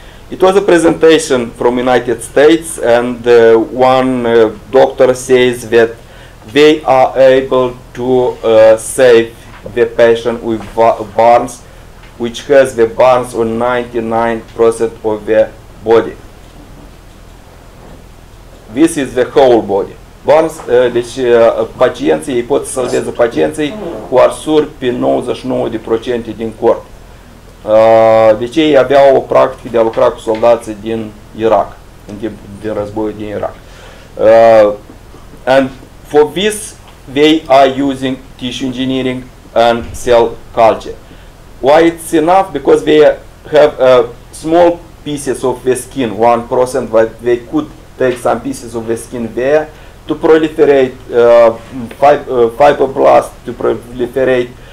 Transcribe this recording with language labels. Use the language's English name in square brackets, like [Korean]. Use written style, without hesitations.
[English] It was a presentation from United States and one doctor says that they are able to save the patient with burns, which has the burns on 99% of the body. This is the whole body. [Romanian] Burns, pacienții, îi pot să salveze pacienții cu arsuri pe 99% din corp. Deci ei aveau o practică de a lucra cu soldații din Irak, în timpul din războiul din Irak. [English] And for this, they are using tissue engineering and cell culture. Why it's enough? Because they have small pieces of the skin, 1%, but they could take some pieces of the skin there to proliferate fibroblasts, to proliferate